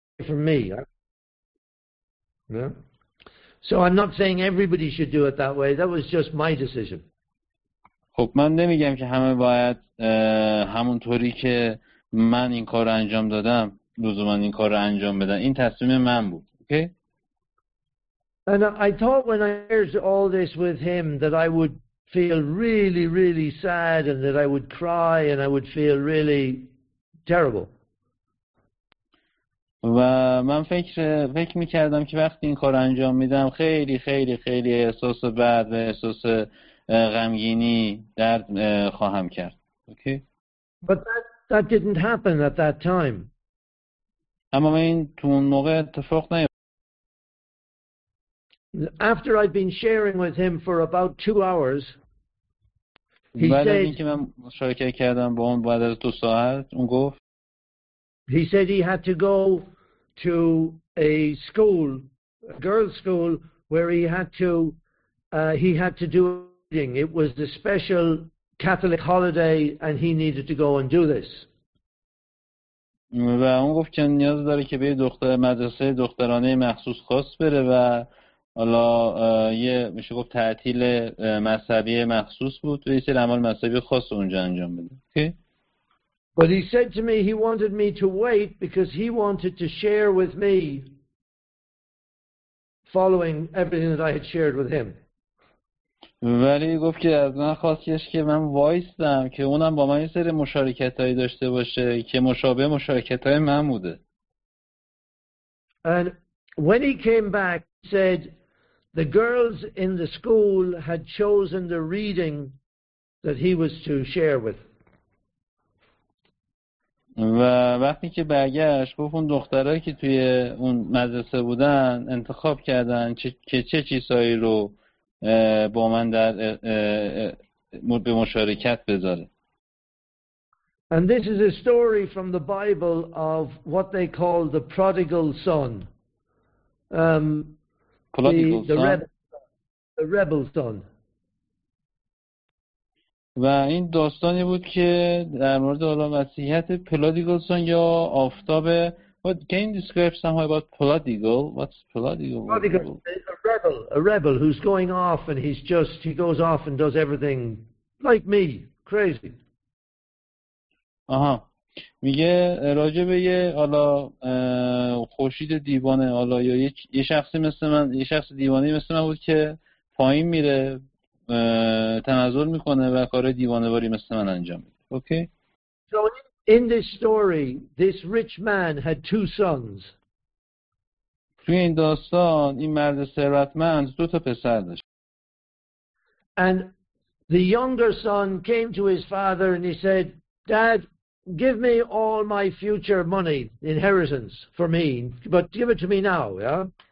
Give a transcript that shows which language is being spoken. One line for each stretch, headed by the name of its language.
English: For me, So I'm not saying everybody should do it that way. That was just my decision.
Persian: خب من نمیگم که همه باید همونطوری که من این کار رو انجام دادم لزوما این کار رو انجام بدن. این تصمیم من بود. Okay.
English: And I thought when I shared all this with him that I would feel really, really sad and that I would cry and I would feel really terrible.
Persian: و من فکر میکردم که وقتی این کار انجام میدم خیلی خیلی خیلی احساس بد و احساس غمگینی درد خواهم کرد.
English: Okay. But that didn't happen at that time.
Persian: اما این تو اون موقع اتفاق نیفتاد.
English: After I'd been sharing with him for about 2 hours,
Persian: بعد از اینکه من مشارکت کردم با اون بعد از 2 ساعت، اون گفت.
English: He said he had to go to a school girls' school where he had to do reading. It was the special Catholic holiday, and he needed to go and do this.
Persian: و اون گفت که نیاز داره که به دختر مدرسه دخترانه مخصوص خاص بره و حالا یه میشه گفت تعطیل مذهبی مخصوص بود و یه سری اعمال مذهبی خاص اونجا انجام بده.
English: Okay. But he said to me he wanted me to wait because he wanted to share with me following everything that I had shared with him.
Persian: ولی گفت که از من خواستش که من وایستم که اونم با من یه سری مشارکت هایی داشته باشه که مشابه مشارکت های من بوده.
English: And when he came back said the girls in the school had chosen the reading that he was to share with.
Persian: و وقتی که برگشت گفت اون دخترها که توی اون مدرسه بودن انتخاب کردن که چه چیزهایی رو با من در به مشارکت بذاره.
English: And this is a story from the Bible of what they call the prodigal son. The rebel son.
Persian: و این داستانی بود که در مورد حالا وصیت پلادیگل سون یا آفتاب.
English: What can you describe somehow about Pladigal? What's Pladigal? Pladigal is a rebel who's going off and he goes off and does everything like me, crazy. Aha.
Persian: میگه راجع به یه حالا خوشید دیوانه حالا یا یه شخصی مثل من یه شخص دیوانه مثل من بود که پایین میره تنزل میکنه و کار دیوانواری مثل من انجام میده.
English: Okay. So in this story, this rich man had two sons.
Persian: توی این داستان این مرد ثروتمند دو تا پسر داشت.
English: And the younger son came to his father and he said, "Dad, give me all my future money, inheritance for me, but give it to me now, yeah?"